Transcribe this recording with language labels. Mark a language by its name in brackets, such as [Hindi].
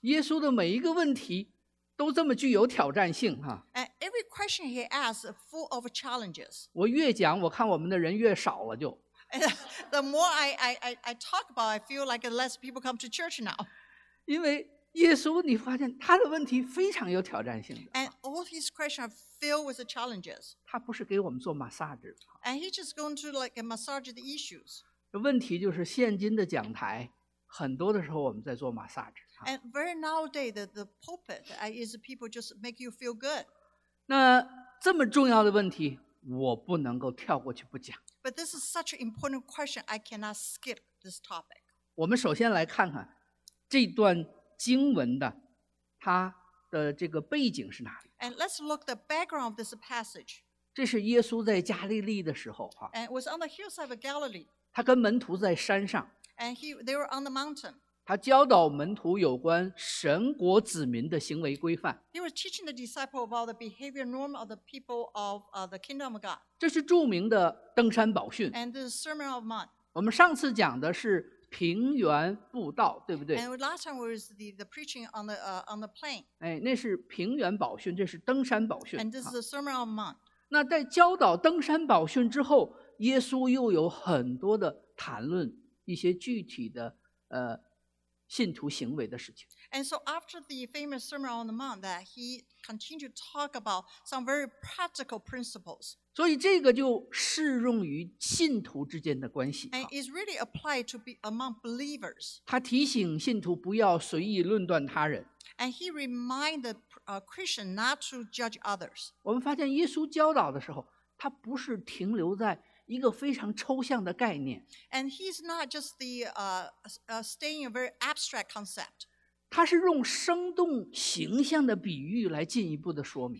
[Chinese] 耶稣的每一个问题都这么具有挑战性哈。 [English] And every question he asked full of challenges. [Chinese] 我越讲，我看我们的人越少了就。 [English] The more I talk about, I feel like less people come to church now. [Chinese] 因为耶稣，你发现他的问题非常有挑战性。 [English] And all his questions are filled with the challenges. [Chinese] 他不是给我们做 massage. [English] And he's just going to like massage the issues. [Chinese] 问题就是现今的讲台，很多的时候我们在做 massage. [English] And very nowadays, the pulpit is people just make you feel good. [Chinese] 那这么重要的问题，我不能够跳过去不讲。 [English] But this is such an important question, I cannot skip this topic. [Chinese] 我们首先来看看这段经文的它的这个背景是哪里。 [English] And let's look the background of this passage. [Chinese] 这是耶稣在加利利的时候、啊、 [English] And it was on the hillside of Galilee. [Chinese] 他跟门徒在山上。 [English] And they were on the mountain. [Chinese] 他教导门徒有关神国子民的行为规范。 [English] He was teaching the disciple about the behavior norm of the people of the kingdom of God. [Chinese] 这是著名的登山宝训。 [English] And the Sermon of the Mount. [Chinese] 我们上次讲的是平原布道，对不对？ [English] And last time was the preaching on the plain. [Chinese] 哎，那是平原宝训，这是登山宝训。 [English] And this is the Sermon on the Mount. [Chinese] 那在教导登山宝训之后，耶稣又有很多的谈论一些具体的信徒行为的事情。 [English] And so after the famous Sermon on the Mount, that he continued to talk about some very practical principles. [Chinese] 所以这个就适用于信徒之间的关系。 [English] And is really applied to be among believers. [Chinese] 他提醒信徒不要随意论断他人。 [English] And he reminded the Christian not to judge others. [Chinese] 我们发现耶稣教导的时候，他不是停留在一个非常抽象的概念。 [English] And he's not just the staying a very abstract concept. [Chinese] 他是用生动形象的比喻来进一步的说明。